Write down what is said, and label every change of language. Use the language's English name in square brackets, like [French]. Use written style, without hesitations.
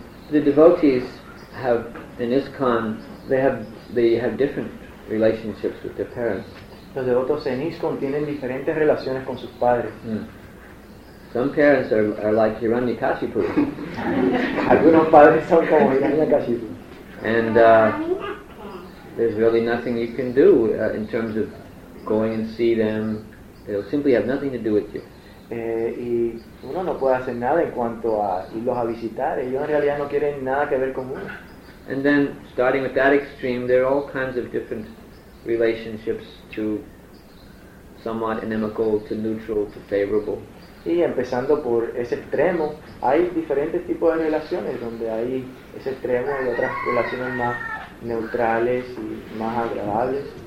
[English] The devotees have, in ISKCON, they have different relationships with their parents. [Spanish] Los devotos en ISKCON tienen diferentes relaciones con sus padres. [English] Mm. Some parents are like Hiranyakashipu. [Spanish] Algunos padres son como Hiranyakashipu. [English] And there's really nothing you can do in terms of going and see them. They'll simply have nothing to do with you. [Spanish] Y uno no puede hacer nada en cuanto a irlos a visitar. Ellos en realidad no quieren nada que ver con uno. [English] And then, starting with that extreme, there are all kinds of different relationships to somewhat inimical, to neutral, to favorable. [Spanish] Y empezando por ese extremo, hay diferentes tipos de relaciones donde hay ese extremo y otras relaciones más neutrales y más agradables.